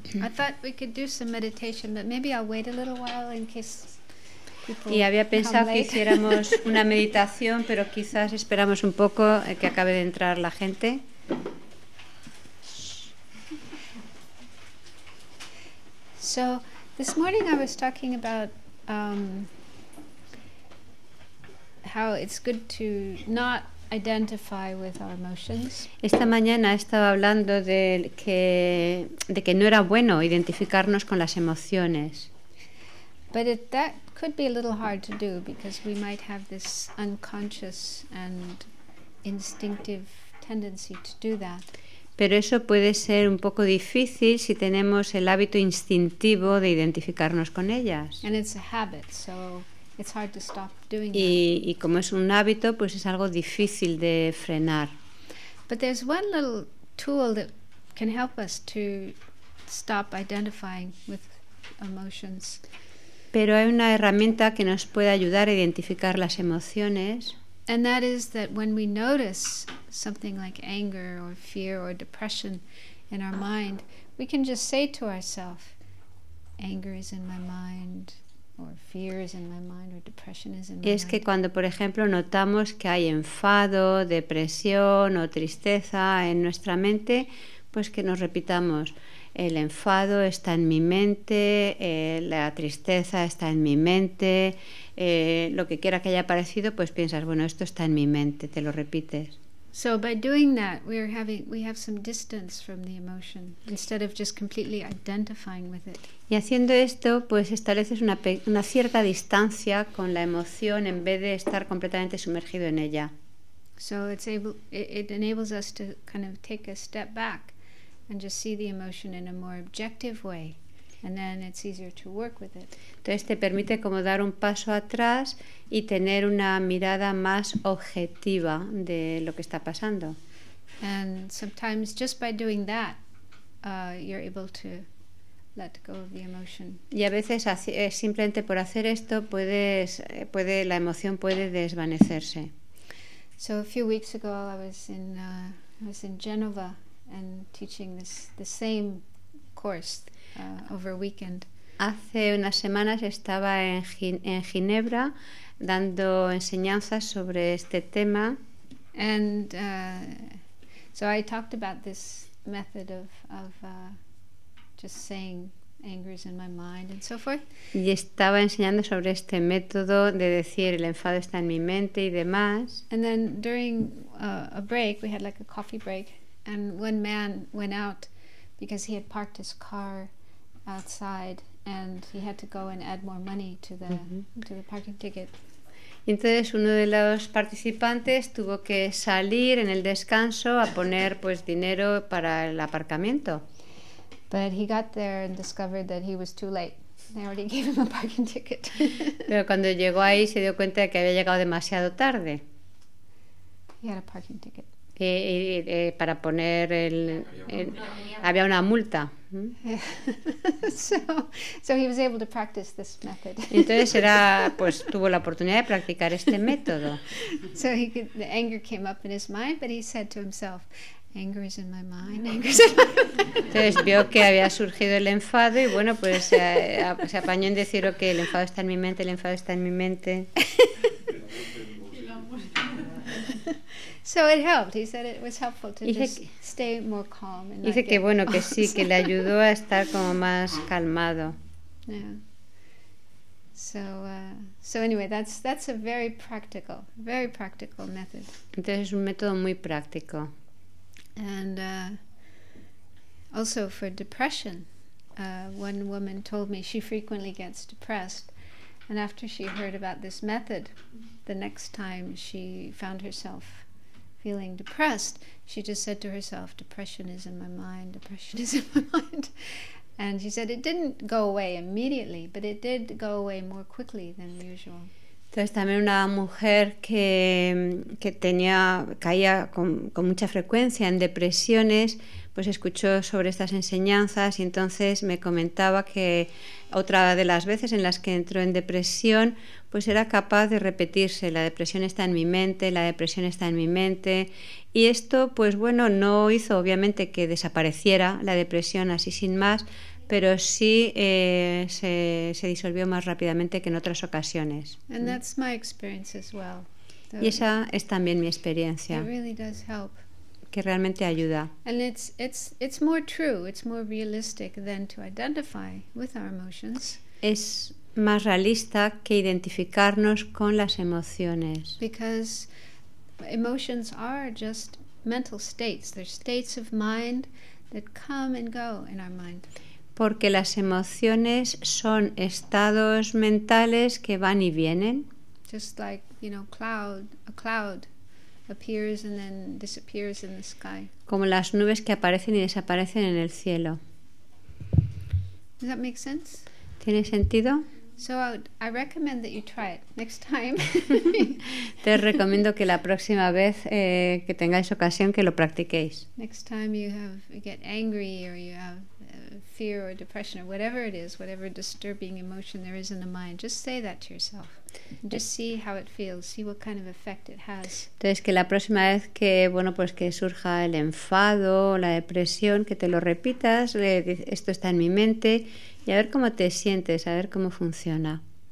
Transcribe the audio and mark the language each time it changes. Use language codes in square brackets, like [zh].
[en] I thought we could do some meditation, but maybe I'll wait a little while in case people [es] Y había pensado [en] come [es] que hiciéramos una meditación, pero quizás esperamos un poco que acabe de entrar la gente. [en] So, this morning I was talking about how it's good to not identify with our emotions. [es] Esta mañana estaba hablando de que no era bueno identificarnos con las emociones. [en] But that could be a little hard to do because we might have this unconscious and instinctive tendency to do that. [es] Pero eso puede ser un poco difícil si tenemos el hábito instintivo de identificarnos con ellas. [en] And it's a habit, so it's hard to stop doing [es] y, y como es un hábito, pues es algo difícil de frenar. [en] But there's one little tool that can help us to stop identifying with emotions. [es] Pero hay una herramienta que nos puede ayudar a identificar las emociones. [en] And that is that when we notice something like anger or fear or depression in our mind, we can just say to ourselves, anger is in my mind. Or fear is in my mind, or depression is in my [es] Es que [en] mind. [es] Cuando, por ejemplo, notamos que hay enfado, depresión o tristeza en nuestra mente, pues que nos repitamos, el enfado está en mi mente, la tristeza está en mi mente, lo que quiera que haya aparecido, pues piensas, bueno, esto está en mi mente, te lo repites. [en] So by doing that, we have some distance from the emotion instead of just completely identifying with it. [es] Y haciendo esto, pues estableces una cierta distancia con la emoción en vez de estar completamente sumergido en ella. [en] So it enables us to kind of take a step back and just see the emotion in a more objective way, and then it's easier to work with it. [es] Entonces te permite como dar un paso atrás y tener una mirada más objetiva de lo que está pasando. [en] And sometimes just by doing that, you're able to let go of the emotion. [es] Y a veces simplemente por hacer esto la emoción puede desvanecerse. [en] So a few weeks ago I was in Genova and teaching the same course over a weekend. [es] Hace unas semanas estaba en Ginebra dando enseñanzas sobre este tema. [en] And so I talked about this method of just saying anger is in my mind and so forth. [es] Y estaba enseñando sobre este método de decir el enfado está en mi mente y demás. [en] And then during a break, we had like a coffee break, and one man went out because he had parked his car outside. And he had to go and add more money to the to the parking ticket. [es] Entonces uno de los participantes tuvo que salir en el descanso a poner pues dinero para el aparcamiento. [en] But he got there and discovered that he was too late. They already gave him a parking ticket. [es] Pero cuando llegó ahí se dio cuenta de que había llegado demasiado tarde. [en] He had a parking ticket. [es] Para poner había una multa. [en] So he was able to practice this method. [es] Entonces pues tuvo la oportunidad de practicar este método. [en] So the anger came up in his mind, but he said to himself, Anger is in my mind. [es] Entonces vio que había surgido el enfado y bueno, pues se apañó en decir que okay, el enfado está en mi mente. [en] So it helped. He said it was helpful to just stay more calm. [es] Dice que bueno, que sí, que le ayudó a estar como más calmado. [en] So anyway, that's a very practical method. [es] Entonces es un método muy práctico. [en] And also for depression, one woman told me she frequently gets depressed, and after she heard about this method, the next time she found herself feeling depressed, she just said to herself, "Depression is in my mind. Depression is in my mind." And she said it didn't go away immediately, but it did go away more quickly than usual. [es] Entonces también una mujer que tenía caía con mucha frecuencia en depresiones, pues escuchó sobre estas enseñanzas y entonces me comentaba que otra de las veces en las que entró en depresión, pues era capaz de repetirse, la depresión está en mi mente, la depresión está en mi mente. Y esto, pues bueno, no hizo obviamente que desapareciera la depresión así sin más, pero sí se disolvió más rápidamente que en otras ocasiones. [en] And that's my experience as well. [es] Y esa es también mi experiencia. [en] It really does help. [es] Que realmente ayuda. [en] And it's more true, it's more realistic than to identify with our emotions. [es] Es más realista que identificarnos con las emociones. [en] Because emotions are just mental states, they're states of mind that come and go in our mind. [es] Porque las emociones son estados mentales que van y vienen. [en] Just like, you know, a cloud appears and then disappears in the sky. [es] Como las nubes que aparecen y desaparecen en el cielo. [en] Does that make sense? [es] ¿Tiene sentido? [en] So I recommend that you try it next time. [es] Te recomiendo que la próxima vez que tengáis ocasión que lo practiquéis. [en] Next time you get angry or you have fear or depression or whatever it is, whatever disturbing emotion there is in the mind, just say that to yourself. Just see how it feels, see what kind of effect it has. [es] Entonces que la próxima vez que bueno, pues que surja el enfado o la depresión, que te lo repitas, esto está en mi mente, y a ver cómo te sientes, a ver cómo funciona.